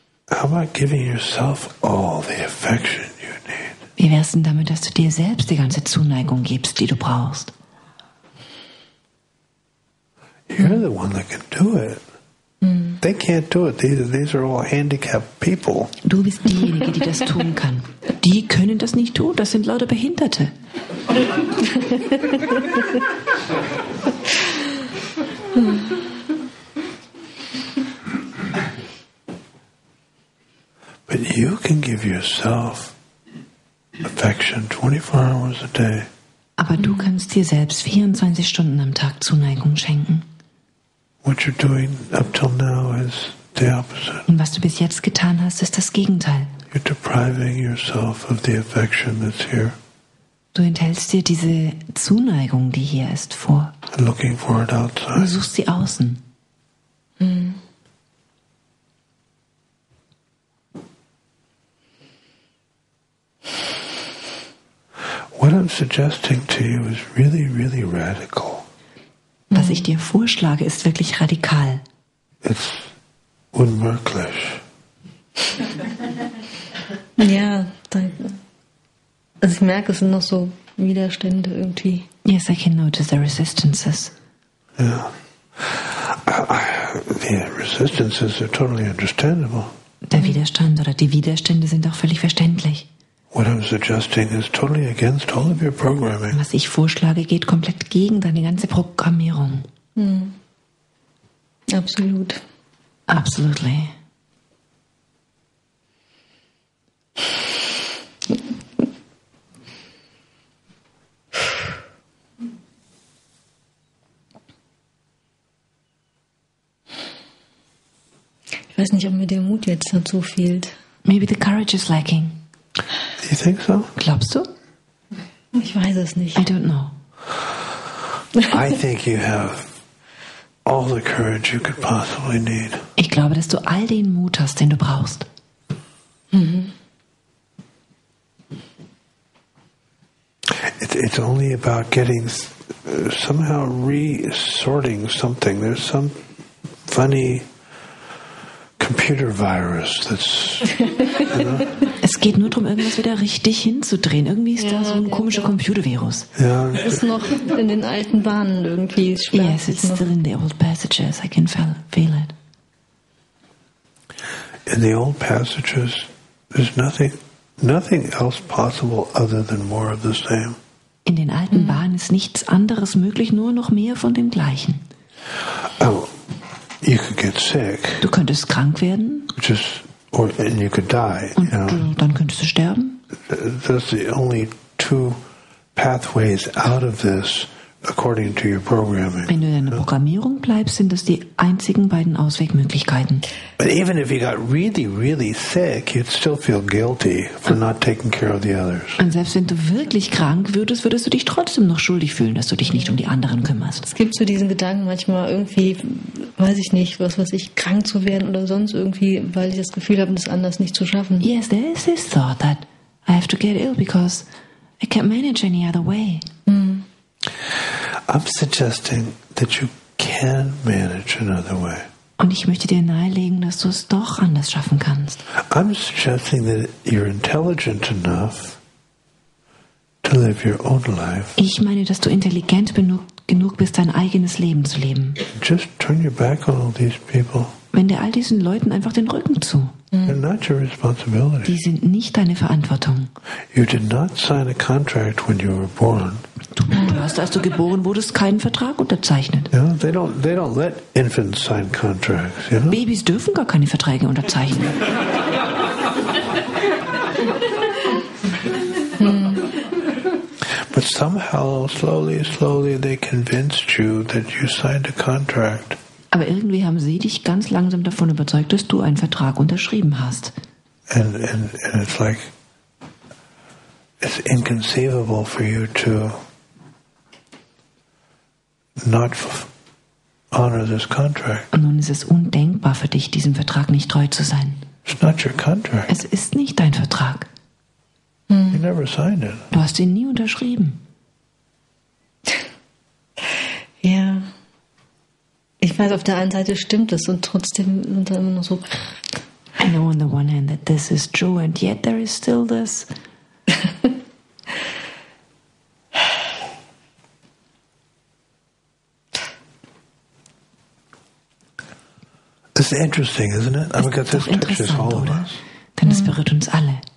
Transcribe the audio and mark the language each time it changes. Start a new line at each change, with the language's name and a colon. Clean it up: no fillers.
English: How about giving yourself all the affection you need?
German: Wie wär's denn damit, dass du dir selbst die ganze Zuneigung gibst, die du brauchst?
English: You're the one that can do it. They can't do it. These are all handicapped people.
German: Du bist diejenige, die das tun kann. Die können das nicht tun. Das sind lauter Behinderte.
English: But you can give yourself affection 24 hours a day.
German: Aber du kannst dir selbst 24 Stunden am Tag Zuneigung schenken.
English: What you're doing up till now is the opposite.
German: Und was du bis jetzt getan hast, ist das Gegenteil.
English: You're depriving yourself of the affection that's here.
German: Du enthältst dir diese Zuneigung, die hier ist, vor.
English: Looking for it outside.
German: Du suchst sie außen. Mm.
English: What I'm suggesting to you is really, really radical.
German: Was ich dir vorschlage, ist wirklich radikal.
English: It's
German: unmöglich. Ja, danke. Also ich merke, es sind noch so Widerstände irgendwie.
English: Yes, I can notice the resistances. Yeah. The resistances are totally understandable.
German: Der Widerstand oder die Widerstände sind auch völlig verständlich.
English: What I'm suggesting is totally against all of your programming.
German: Was ich vorschlage, geht komplett gegen deine ganze Programmierung. Mm. Absolut.
English: Absolutely.
German: Ich weiß nicht, ob mir der Mut jetzt dazu fehlt.
English: Maybe the courage is lacking. You think so?
German: Glaubst du? Ich weiß es nicht.
English: I don't know. I think you have all the courage you could possibly need.
German: Ich glaube, dass du all den Mut hast, den du brauchst. Mhm.
English: It's only about getting somehow re-sorting something. There's some funny computer virus that's, you know?
German: Es geht nur darum, irgendwas wieder richtig hinzudrehen. Irgendwie ist ja, da so ein komischer ja. Computervirus. Ja. Ist noch in den alten Bahnen irgendwie.
English: Yes, it's still in the old passages. I can feel it. In the old passages, there's nothing else possible other than more of the same.
German: In den alten Bahnen ist nichts anderes möglich, nur noch mehr von dem Gleichen.
English: Oh, you could get sick.
German: Du könntest krank werden.
English: Just or and you could die.
German: Und
English: you know?
German: Dann könntest du sterben.
English: That's the only two pathways out of this, according to your programming.
German: Wenn du in deiner Programmierung bleibst, sind das die einzigen beiden Auswegmöglichkeiten.
English: But even if you got really, really sick, you'd still feel guilty for not taking care of the others.
German: Und selbst wenn du wirklich krank würdest, würdest du dich trotzdem noch schuldig fühlen, dass du dich nicht um die anderen kümmerst. Es gibt so diesen Gedanken manchmal irgendwie, weiß ich nicht, was ich, krank zu werden oder sonst irgendwie, weil ich das Gefühl habe, das anders nicht zu schaffen.
English: Yes, there is this thought that I have to get ill because I can't manage any other way. Mm. I'm suggesting that you can manage another way.
German: Und ich möchte dir nahelegen, dass du es doch anders schaffen kannst.
English: I'm suggesting that you're intelligent enough to live your own life.
German: Ich meine, dass du intelligent genug bist, dein eigenes Leben zu leben.
English: Just turn your back on all these people.
German: Wende all diesen Leuten einfach den Rücken zu.
English: They're not your responsibility.
German: Die sind nicht deine Verantwortung.
English: You did not sign a contract when you were born.
German: Du hast, als du geboren wurdest, keinen Vertrag unterzeichnet.
English: You know, they don't let infants sign contracts, you know?
German: Babys dürfen gar keine Verträge unterzeichnen.
English: But somehow, slowly, they convinced you that you signed a contract.
German: Aber irgendwie haben sie dich ganz langsam davon überzeugt, dass du einen Vertrag unterschrieben hast.
English: And it's like, it's inconceivable for you to not honor this contract.
German: Und nun ist es undenkbar für dich, diesem Vertrag nicht treu zu sein.
English: It's not your contract.
German: Es ist nicht dein Vertrag.
English: You never signed it.
German: Du hast ihn nie unterschrieben. Ja. Ich weiß, auf der einen Seite stimmt es und trotzdem sind da immer noch so.
English: I know on the one hand that this is true and yet there is still this. This is interesting, isn't it? I've got this touches all of us.
German: Denn es berührt uns alle.